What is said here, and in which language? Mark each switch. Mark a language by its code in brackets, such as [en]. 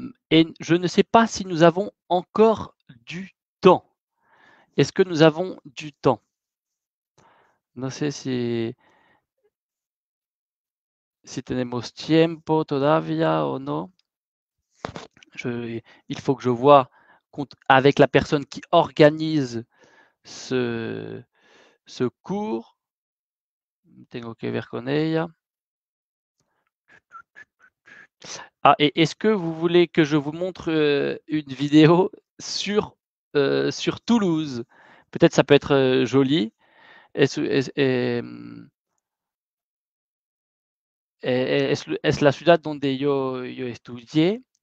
[fr] Et je ne sais pas si nous avons encore du temps. Est-ce que nous avons du temps? [es] No sé si tenemos tiempo todavía o no. [fr] Il faut que je voie avec la personne qui organise ce cours. [es] Tengo que ver con ella. [fr] Ah, et est-ce que vous voulez que je vous montre une vidéo sur Toulouse? Peut-être ça peut être joli. [es] Est-ce la ciudad donde yo estudié?